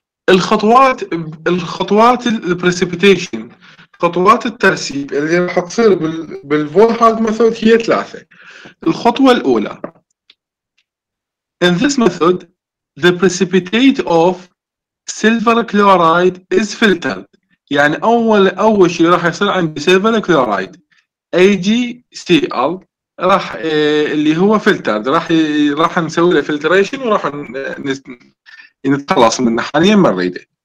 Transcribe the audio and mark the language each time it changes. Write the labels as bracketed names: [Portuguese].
[Arabic] الخطوات البريسيبيتيشن، خطوات الترسيب اللي راح تصير بالفورهاد ميثود هي ثلاثه. الخطوه الاولى [English] in this method the precipitate of silver chloride is filtered. [Arabic] يعني اول شيء راح يصير عندي silver chloride AgCl راح اللي هو filtered، راح نسوي له filtration وراح نتخلص منه حاليا ما نريده.